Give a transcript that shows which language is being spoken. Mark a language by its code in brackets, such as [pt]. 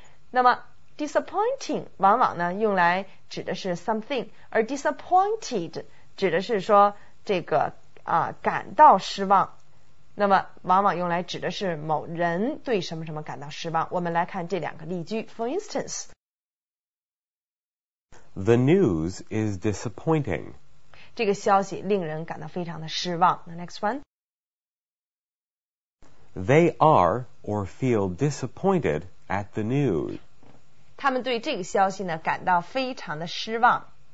[zh] 那么 disappointing 往往呢用来指的是 something， 而 disappointed 指的是说这个啊感到失望。那么往往用来指的是某人对什么什么感到失望。我们来看这两个例句。 [en] For instance, The news is disappointing. [zh] 这个消息令人感到非常的失望。 [en] The next one. They are or feel disappointed at the news. [zh] 他们对这个消息呢感到非常的失望。